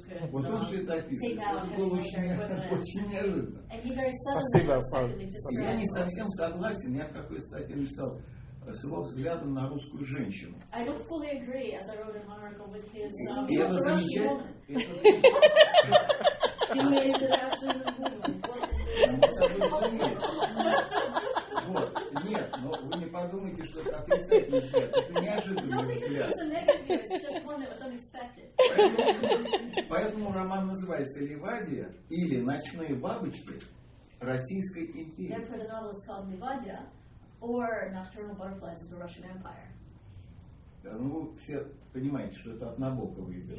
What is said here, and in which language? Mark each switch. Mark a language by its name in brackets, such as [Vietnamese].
[Russian] Вот он же это описывает. Это было очень неожиданно. Спасибо, Павел. Я не совсем согласен. Я в какой-то статье написал с его взглядом на русскую женщину. [English] I don't fully agree, as I wrote in one article, with his Russian woman. He made the Russian woman. What did he do? [Russian] Нет, но вы не подумайте, что это отрицательный взгляд. Это неожиданный взгляд. [English] It's not because it's a negative view, it's just one that was unexpected. [Russian] Поэтому роман называется «Ливадия» или «Ночные бабочки Российской империи». [English] Therefore, the novel is called «Ливадия» or Nocturnal Butterflies of the Russian Empire. [Russian] Да, ну, вы все понимаете, что это от Набокова идет.